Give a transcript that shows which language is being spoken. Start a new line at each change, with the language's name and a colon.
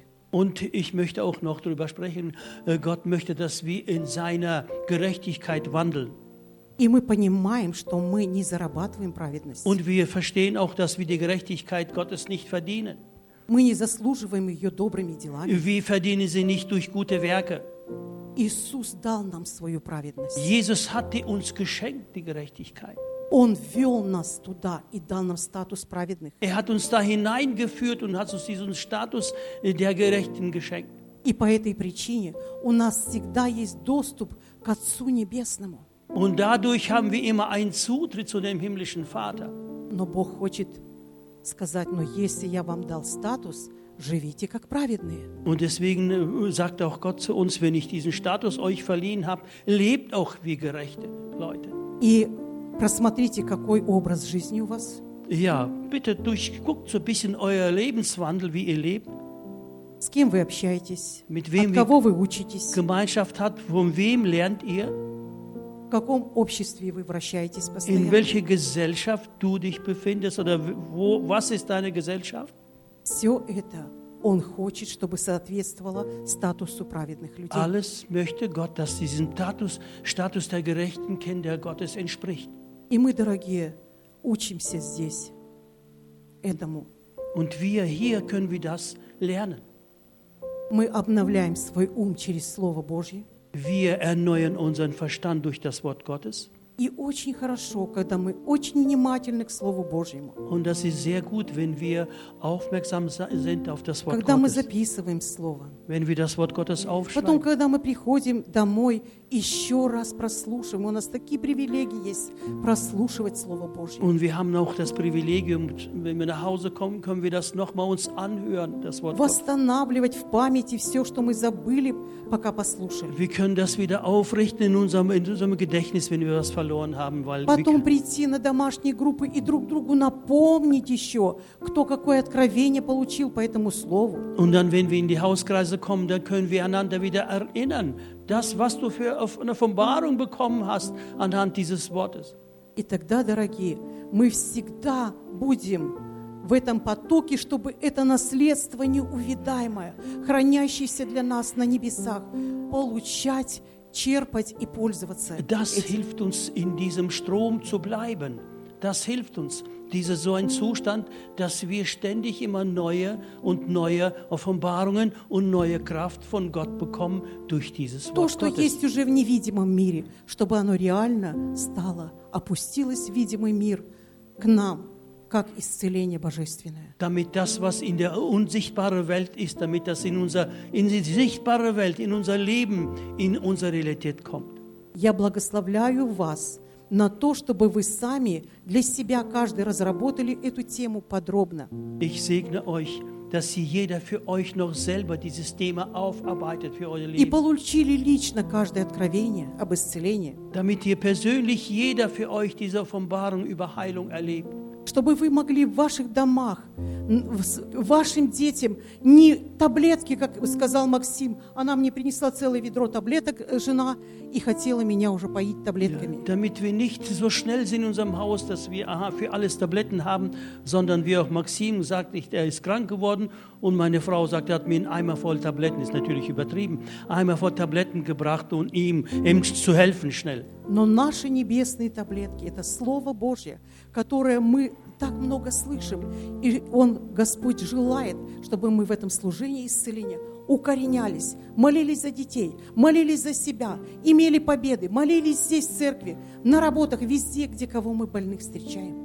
German: Und ich möchte auch noch darüber sprechen, Gott möchte, dass wir in seiner Gerechtigkeit wandeln.
Russian: И мы понимаем, что мы не зарабатываем праведность.
German: Und wir verstehen auch, dass wir die Gerechtigkeit Gottes nicht verdienen.
Russian: Мы не заслуживаем ее добрыми делами.
German: Wir verdienen sie nicht durch gute Werke.
Russian: Иисус дал нам свою праведность.
German: Jesus hatte uns geschenkt die Gerechtigkeit.
Russian: Он вел нас туда и дал нам статус праведных.
German: Er hat uns da hineingeführt und hat uns diesen Status der Gerechten geschenkt.
Russian: И по этой причине у нас всегда есть доступ к Отцу Небесному.
German: Und dadurch haben wir immer einen Zutritt zu dem himmlischen Vater.
Russian: Но Бог хочет сказать, но если я вам дал статус, живите как праведные.
German: Und deswegen sagt auch Gott zu uns, wenn ich diesen Status euch verliehen habe, lebt auch wie gerechte Leute.
Russian: И просмотрите, какой образ жизни у вас.
German: Ja, bitte durchguckt so ein bisschen euer Lebenswandel, wie ihr lebt.
Russian: С кем вы общаетесь?
German: Mit wem
Russian: от кого вы учитесь?
German: Gemeinschaft hat, von wem lernt ihr?
Russian: В каком обществе вы вращаетесь постоянно?
German: In welcher Gesellschaft du dich befindest oder was ist deine Gesellschaft?
Russian: Все это он хочет, чтобы соответствовало статусу праведных людей.
German: Alles möchte Gott, dass diesem Status der gerechten Kinder Gottes entspricht.
Russian: И мы, дорогие, учимся здесь этому.
German: Und wir hier können wir das lernen.
Russian: Мы обновляем свой ум через Слово Божье.
German: Wir erneuern unseren Verstand durch das Wort Gottes.
Russian: И очень хорошо, когда мы очень внимательны к Слову Божьему.
German: Und das ist sehr gut, wenn wir aufmerksam sind auf das Wort
Russian: Когда
German: Gottes.
Russian: Мы записываем Слово.
German: Wenn wir das Wort Gottes aufschreiben.
Russian: Потом, когда мы приходим домой, еще раз прослушиваем. У нас такие привилегии есть прослушивать Слово Божье.
German: Und wir haben auch das Privilegium, wenn wir nach Hause kommen, können wir das nochmal uns anhören, das Wort
Russian: Восстанавливать
German: Gottes.
Russian: В памяти все, что мы забыли, пока послушали.
German: Wir können das wieder aufrichten in unserem Gedächtnis, wenn wir was verloren haben, weil
Russian: Потом прийти на домашние группы и друг другу напомнить еще, кто какое откровение получил по этому слову.
German: Und dann, wenn wir in die Hauskreise kommen, dann können wir einander wieder erinnern, das, was du für eine Offenbarung bekommen hast anhand dieses Wortes.
Russian: И тогда, дорогие, мы всегда будем в этом потоке, чтобы это наследство неувидаемое, хранящееся для нас на небесах, получать черпать и пользоваться этим.
German: Das hilft uns, in diesem Strom zu bleiben. Das hilft uns, dieser so ein Zustand, dass wir ständig immer neue und neue Offenbarungen und neue Kraft von Gott bekommen durch dieses Wort Gottes.
Russian: То, что есть уже в невидимом мире, чтобы оно реально стало, опустилось в видимый мир к нам, как исцеление божественное.
German: Damit das, was in der unsichtbaren Welt ist, damit das in die sichtbare Welt, in unser Leben, in unsere Realität kommt.
Russian: Я благословляю вас на то, чтобы вы сами для себя каждый разработали эту тему подробно.
German: Ich segne euch, dass ihr jeder für euch noch selber dieses Thema aufarbeitet für euer Leben.
Russian: И получили лично каждое откровение об исцелении.
German: Damit ihr persönlich jeder für euch diese Offenbarung über Heilung erlebt.
Russian: Чтобы вы могли в ваших домах, вашим детям не таблетки, как сказал Максим, она мне принесла целое ведро таблеток, жена, и хотела меня уже поить таблетками.
German: Ja, damit wir nicht so schnell sind in unserem Haus, dass wir für alles Tabletten haben, sondern wie auch Максим sagt, er ist krank geworden und meine Frau sagt, er hat mir einen Eimer voll Tabletten, ist natürlich übertrieben, Eimer voll Tabletten gebracht, um ihm zu helfen schnell.
Russian: Но наши небесные таблетки – это Слово Божье, которое мы так много слышим. И Он, Господь, желает, чтобы мы в этом служении исцеления укоренялись, молились за детей, молились за себя, имели победы, молились здесь, в церкви, на работах, везде, где кого мы больных встречаем.